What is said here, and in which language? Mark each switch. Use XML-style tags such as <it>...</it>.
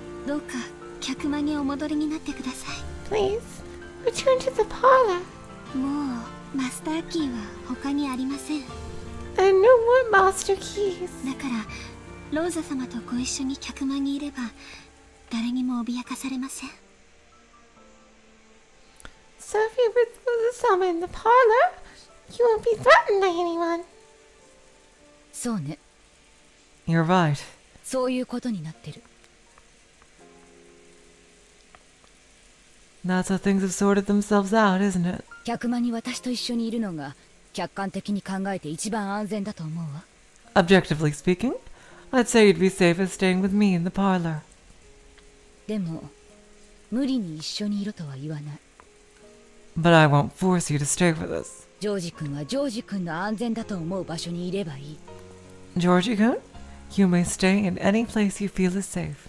<ja>どうか客間にお戻りになってください.</ja> <en>Please, return to the parlor.</en> <ja>もうマスターキーは他にありません.</ja> <en>And no more master keys.</en> <ja>だから、ローザ様とご一緒に客間にいれば誰にも脅かされません.</ja> <en>So if you're with ローザ様 in the parlor, you won't be threatened by anyone.</en> <ja>So, ne.</ja> <en>You're right.</en> <ja>So, you'reことになってる.</ja> <en>That's how things have sorted themselves out, isn't it?</en> <ja>客間に私と一緒にいるのが客観的に考えて一番安全だと思うわ.</ja> <en>Objectively speaking, I'd say you'd be safer staying with me in the parlor.</en> <ja>でも、無理に一緒にいろとは言わない.</ja> <en>But I won't force you to stay with us.</en> <ja>ジョージ君は、ジョージ君の安全だと思う場所にいればいい。ジョージ君?</ja> <en>You may stay in any place you feel is safe.</en>